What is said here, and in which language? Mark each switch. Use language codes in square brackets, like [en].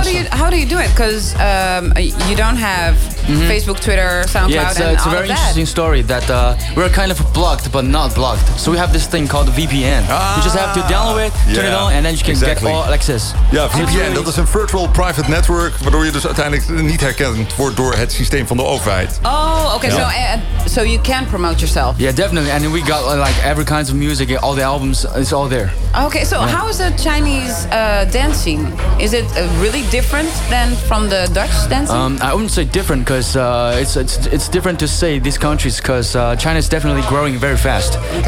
[en] How do you do it? Because you don't have mm-hmm. Facebook, Twitter, SoundCloud, yeah, it's, and it's all a very of interesting that. Story that we're kind of blocked, but not blocked. So we have this thing called VPN. Ah, you just have to download it, turn it on, and then you can get all access. [nl] Ja, VPN, dat is een [en] virtual private network, [nl] waardoor je dus uiteindelijk niet herkend wordt door het systeem van de overheid. [en] Oh, okay, yeah. So you can promote yourself. Yeah, definitely, and we got like every kind of music, all the albums, it's all there. Okay, so yeah. How is the Chinese dance scene? Is it really different than from the Dutch dance scene? I wouldn't say different, because it's different to say these countries, because China is definitely growing very fast. Okay.